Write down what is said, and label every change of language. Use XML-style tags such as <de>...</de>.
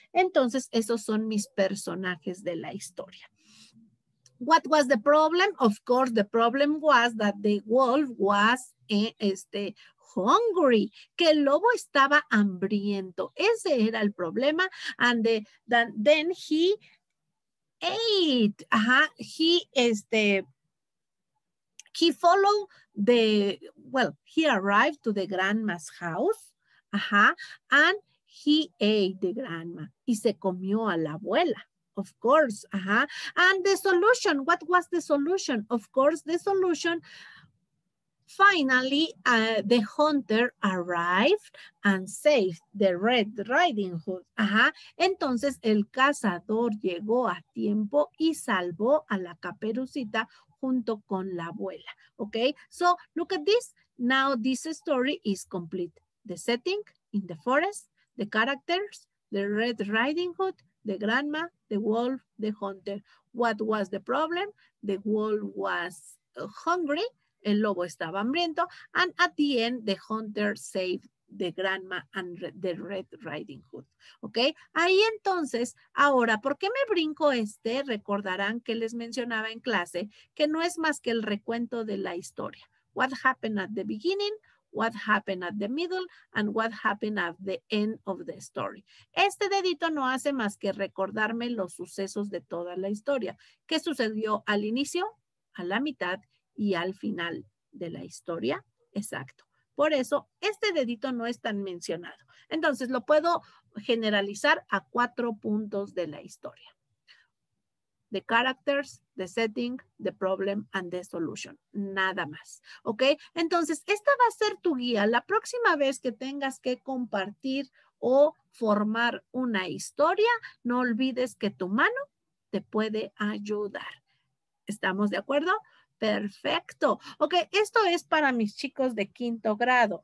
<es>Entonces, esos son mis personajes de la historia.</es> <en>What was the problem? Of course, the problem was that the wolf was hungry.</en> <es>Que el lobo estaba hambriento. Ese era el problema.</es> <en>And then he ate.</en> <es>Ajá.</es> <en>He followed the, well, he arrived to the grandma's house, ajá, and he ate the grandma,</en> <es>y se comió a la abuela,</es> <en>of course, ajá. And the solution, what was the solution? Of course, the solution, finally, the hunter arrived and saved the Red Riding Hood, ajá.</en> <es>Entonces, el cazador llegó a tiempo y salvó a la Caperucita junto con la abuela, okay?</es> <en>So, look at this. Now, this story is complete. The setting in the forest, the characters, the Red Riding Hood, the grandma, the wolf, the hunter. What was the problem? The wolf was hungry.</en> <es>El lobo estaba hambriento.</es> <en>And at the end, the hunter saved the grandma and the Red Riding Hood, okay?</en> <es>Ahí entonces, ahora, ¿por qué me brinco este? Recordarán que les mencionaba en clase que no es más que el recuento de la historia.</es> <en>What happened at the beginning, what happened at the middle, and what happened at the end of the story.</en> <es>Este dedito no hace más que recordarme los sucesos de toda la historia. ¿Qué sucedió al inicio, a la mitad y al final de la historia? Exacto. Por eso, este dedito no es tan mencionado. Entonces, lo puedo generalizar a cuatro puntos de la historia.</es> <en>The characters, the setting, the problem, and the solution.</en> <es>Nada más. ¿Ok? Entonces, esta va a ser tu guía. La próxima vez que tengas que compartir o formar una historia, no olvides que tu mano te puede ayudar. ¿Estamos de acuerdo? Perfecto. Ok, esto es para mis chicos de quinto grado.</es>